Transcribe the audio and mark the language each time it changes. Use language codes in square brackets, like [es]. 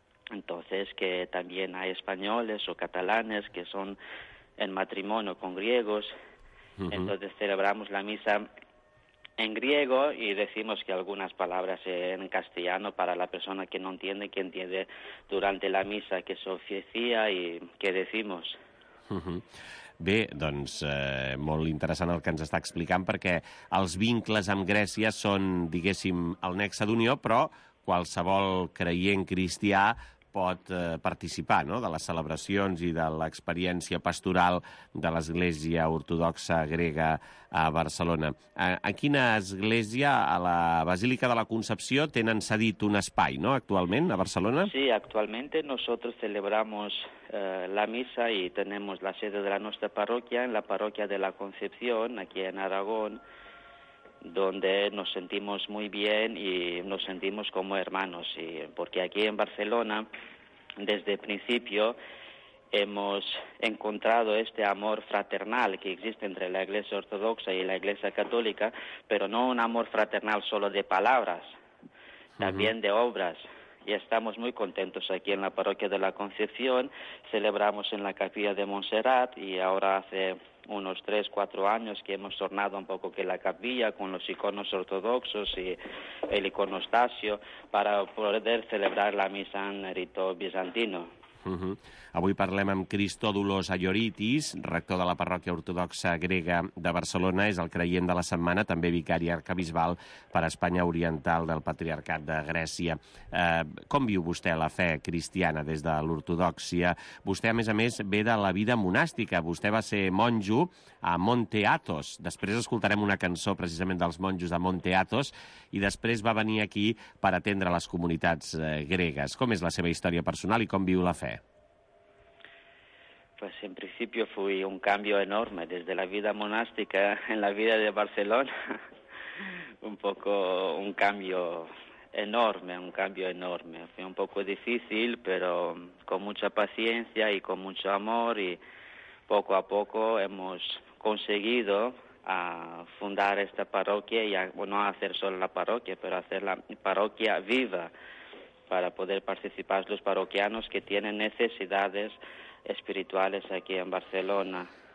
[es] Entonces, que también hay españoles o catalanes que son en matrimonio con griegos. Uh-huh. Entonces celebramos la misa en griego y decimos que algunas palabras en castellano para la persona que no entiende, que entiende durante la misa que se oficia y que decimos. Uh-huh. [ca] Bé, doncs, molt interessant el que ens està explicant, perquè els vincles amb Grècia són, diguéssim, el nexe d'unió, però qualsevol creient cristià pot participar, no?, de les celebracions i de l'experiència pastoral de l'Església Ortodoxa Grega a Barcelona. A quina església, a la Basílica de la Concepció, tenen cedit un espai, no?, actualment, a Barcelona? [es] Sí, actualmente nosotros celebramos la misa y tenemos la sede de la nuestra parroquia en la parroquia de la Concepción, aquí en Aragón, donde nos sentimos muy bien y nos sentimos como hermanos. Y porque aquí en Barcelona, desde el principio, hemos encontrado este amor fraternal que existe entre la Iglesia Ortodoxa y la Iglesia Católica, pero no un amor fraternal solo de palabras, también de obras. Y estamos muy contentos aquí en la parroquia de la Concepción. Celebramos en la capilla de Montserrat y ahora hace unos 3-4 años que hemos tornado un poco que la capilla con los iconos ortodoxos y el iconostasio para poder celebrar la misa en rito bizantino. Uh-huh. [ca] Avui parlem amb Cristòdulos Ayoritis, rector de la parròquia ortodoxa grega de Barcelona, és el creient de la setmana, també vicari arcabisbal per Espanya Oriental del Patriarcat de Grècia. Com viu vostè la fe cristiana des de l'ortodoxia? Vostè, a més, ve de la vida monàstica. Vostè va ser monjo a Monte Athos. Després escoltarem una cançó precisament dels monjos de Monte Athos i després va venir aquí per atendre les comunitats gregues. Com és la seva història personal i com viu la fe? [es] Pues en principio fue un cambio enorme desde la vida monástica en la vida de Barcelona. Un cambio enorme. Fue un poco difícil, pero con mucha paciencia y con mucho amor y poco a poco hemos conseguido a fundar esta parroquia y a, bueno, hacer solo la parroquia, pero hacer la parroquia viva para poder participar los parroquianos que tienen necesidades espirituales aquí en Barcelona.